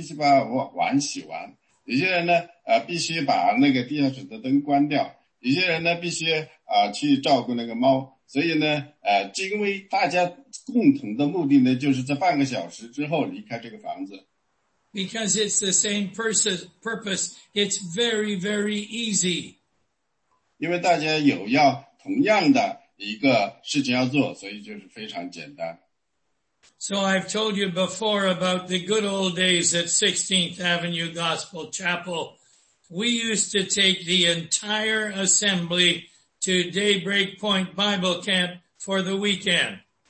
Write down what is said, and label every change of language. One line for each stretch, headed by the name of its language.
Chinese: 所以呢，有些人呢必须把碗洗完。有些人呢，必须把那个地下室的灯关掉；有些人呢，必须去照顾那个猫。所以呢，因为大家共同的目的呢，就是这半个小时之后离开这个房子。Because
English: it's the same purpose, it's very, very easy.
Chinese: 因为大家有同样的一个事情要做，所以就是非常简单。So
English: I've told you before about the good old days at 16th Avenue Gospel Chapel. We used to take the entire assembly to Daybreak Point Bible Camp for the weekend.